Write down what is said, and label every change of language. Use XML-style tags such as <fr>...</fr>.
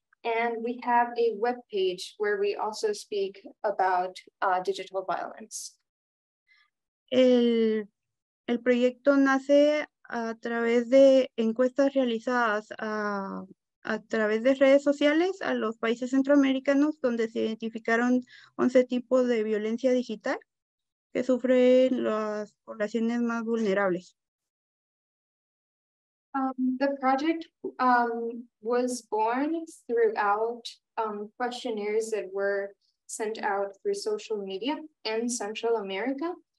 <en>And we have a web page where we also speak about digital violence.</en> <es>El proyecto nace a través de encuestas realizadas a través de redes sociales a los países centroamericanos donde se identificaron 11 tipos de violencia digital que sufren las poblaciones más vulnerables.</es> <en>The project was born throughout questionnaires that were sent out through social media in Central America.</en>